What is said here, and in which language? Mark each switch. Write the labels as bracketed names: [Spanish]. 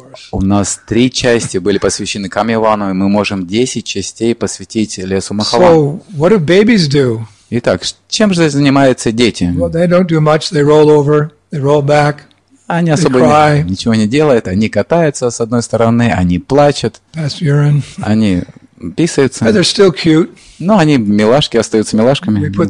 [Russian] У нас 3 части были посвящены Камьявану, и мы можем 10 частей посвятить лесу Махаван. [English] So, what do babies do? [Russian] Итак, чем же занимаются дети? [English] Well, they don't do much, they roll over, they roll back. [Russian] Они особо ничего не делают, они катаются с одной стороны, они плачут, они писаются, но они милашки, остаются милашками.